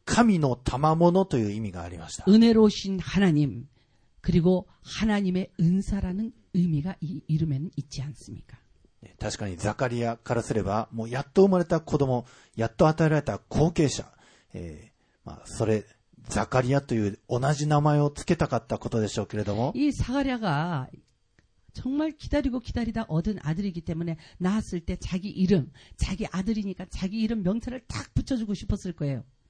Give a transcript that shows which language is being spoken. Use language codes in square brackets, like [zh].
[ja] この名前には神は恵み深いという意味神の賜物という意味がありました [ko] 은혜로우신 하나님 그리고 하나님의 은사라는 의미가 이 이름에는 있지 않습니까? [ja] 네, 確かに 자카리아 からすれば もうやっと生まれた子供やっと与えられた後継者 それ 자카리아 という同じ名前をつけたかったことでしょうけれども [ko] いい 사가랴가 정말 기다리고 기다리다 얻은 아들이기 때문에 낳았을 때 자기 이름, 자기 아들이니까 자기 이름 명찰을 딱 붙여주고 싶었을 거예요.